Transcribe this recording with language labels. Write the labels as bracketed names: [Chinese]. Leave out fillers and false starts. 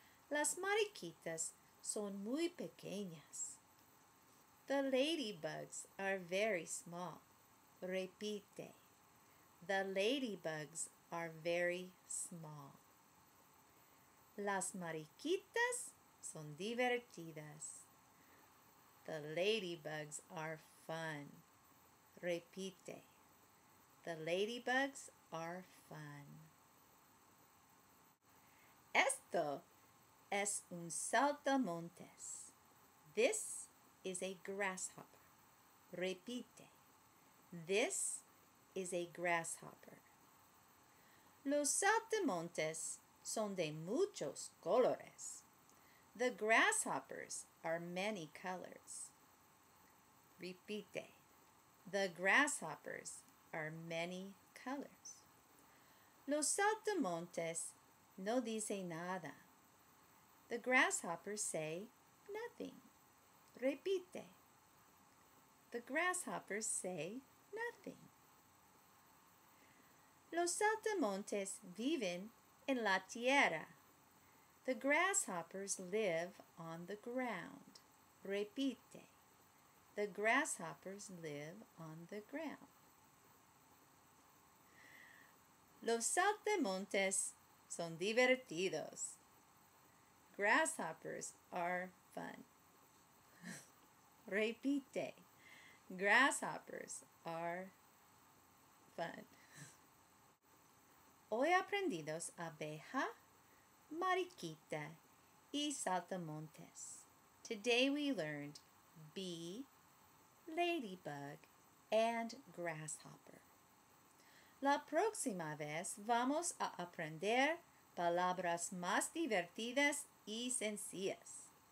[Spanish] Las mariquitas son muy pequeñas. [English] The ladybugs are very small. [Spanish] Repite. [English] The ladybugs are very small. [Spanish] Las mariquitas son divertidas. [English] The ladybugs are fun. [Spanish] Repite. [English] The ladybugs are fun. [Spanish] Esto es un saltamontes. [English] This is a grasshopper. [Spanish] Repite. [English] This is a grasshopper. [Spanish] Los saltamontes son de muchos colores. [English] The grasshoppers are many colors. [Spanish] Repite. [English] The grasshoppers are many colors. [Spanish] Los saltamontes no dice nada. [English] The grasshoppers say nothing. [Spanish] Repite. [English] The grasshoppers say nothing. [Spanish] Los saltamontes viven en la tierra. [English] The grasshoppers live on the ground. [Spanish] Repite. [English] The grasshoppers live on the ground. [Spanish] Los saltamontes son divertidos. [English] Grasshoppers are fun. [Spanish] Repite. [English] Grasshoppers are fun. [Spanish] Hoy aprendidos abeja, mariquita y saltamontes. [English] Today we learned bee, ladybug, and grasshopper. [Spanish] La próxima vez vamos a aprender palabras más divertidas y sencillas.